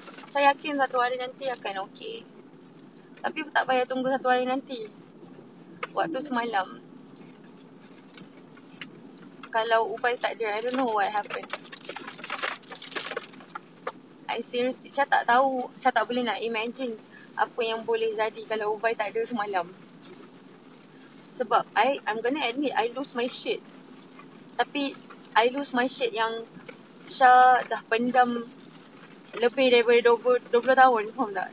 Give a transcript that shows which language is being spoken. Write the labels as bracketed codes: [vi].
[ms] Saya yakin satu hari nanti akan okay. Tapi tak payah tunggu satu hari nanti. Waktu semalam, kalau ubat tak ada, [en] I don't know what happened. I seriously, [ms] saya tak tahu, saya tak boleh nak imagine apa yang boleh jadi kalau ubat tak ada semalam. [en] Sebab I'm gonna admit, I lose my shit. [ms] Tapi [en] I lose my shit [ms] yang saya dah pendam lebih daripada 20 tahun, faham tak?